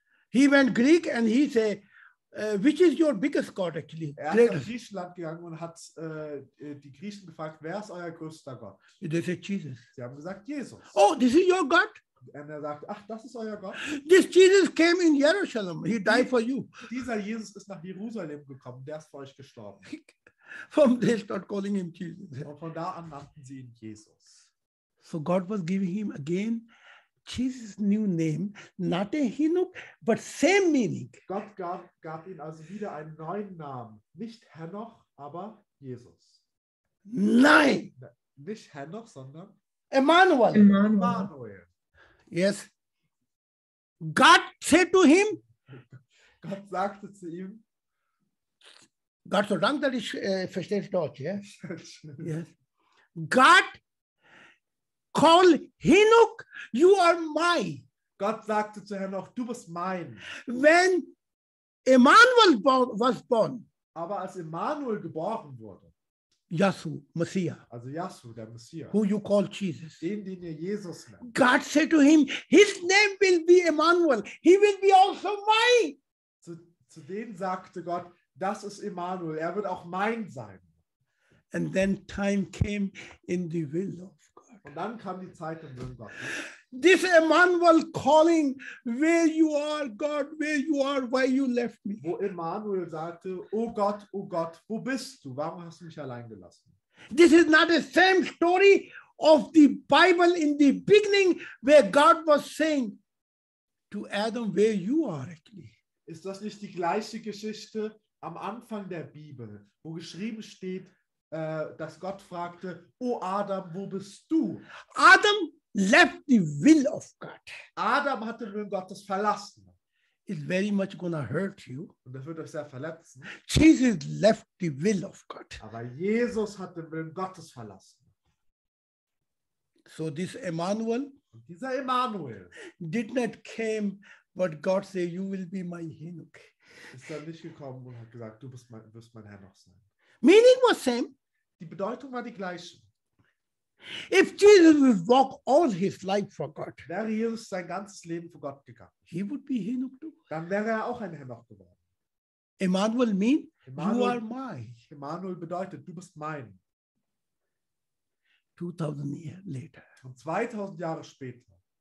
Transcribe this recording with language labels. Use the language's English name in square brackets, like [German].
[English] He went Greek and he said, which is your biggest God actually? [German] Er ist nach Griechenland gegangen und hat die Griechen gefragt, wer ist euer größter Gott? [English] They said Jesus. [German] Sie haben gesagt, Jesus. [English] Oh, this is your God? [German] Und er sagt, ach, das ist euer Gott? [English] This Jesus came in Jerusalem. He died for you. [German] Dieser Jesus ist nach Jerusalem gekommen. Der ist für euch gestorben. [English] From they start calling him Jesus. [German] Und von da an nannten sie ihn Jesus. [English] So God was giving him again Jesus' new name, not a Henoch, but same meaning. [German] Gott gab ihm also wieder einen neuen Namen. Nicht Henoch, aber Jesus. Nein! Nicht Henoch, sondern Emmanuel. Emmanuel. [English] Yes. God said to him, [German] Gott sagte zu ihm, Gott, so lange, dass ich verstehe Deutsch, yes? [English] Yes. Gott call Henoch, you are my. [German] Gott sagte zu Henoch, du bist mein. [English] When Emmanuel was born. [German] Aber als Emmanuel geboren wurde. [English] Yasu, Messiah. [German] Also Yasu, der Messiah. [English] Who you call Jesus. [German] Den ihr Jesus nennt. [English] God said to him, his name will be Emmanuel. He will be also my. [German] Zu dem sagte Gott, das ist Emmanuel. Er wird auch mein sein. [English] And then time came in the will of. [German] Und dann kam die Zeit im Willen Gottes. [English] This Emmanuel calling, where you are, God, where you are, why you left me. [German] Wo Emmanuel sagte, oh Gott, wo bist du? Warum hast du mich allein gelassen? [English] This is not the same story of the Bible in the beginning, where God was saying to Adam, where you are actually. [German] Ist das nicht die gleiche Geschichte am Anfang der Bibel, wo geschrieben steht, dass Gott fragte, oh Adam, wo bist du? [English] Adam left the will of God. [German] Adam hat den Willen Gottes verlassen. [English] It's very much gonna hurt you. [German] Und das wird euch sehr verletzen. [English] Jesus left the will of God. [German] Aber Jesus hat den Willen Gottes verlassen. [English] So this Emmanuel. [German] Und dieser Emmanuel. [English] Did not came, but God said, you will be my Henoch. [German] Ist dann nicht gekommen und hat gesagt, du wirst mein Henoch sein. [English] Meaning was same. [German] Die Bedeutung war die gleiche. [English] If Jesus would walk all his life for God, [German] wäre Jesus sein ganzes Leben für Gott gegangen, [English] he would be Henoch too. [German] Dann wäre er auch ein Henoch geworden. [English] Emmanuel mean, Emmanuel, you are my. [German] Emmanuel bedeutet, du bist mein. [English] 2000 years later. [German] Und 2000 Jahre später.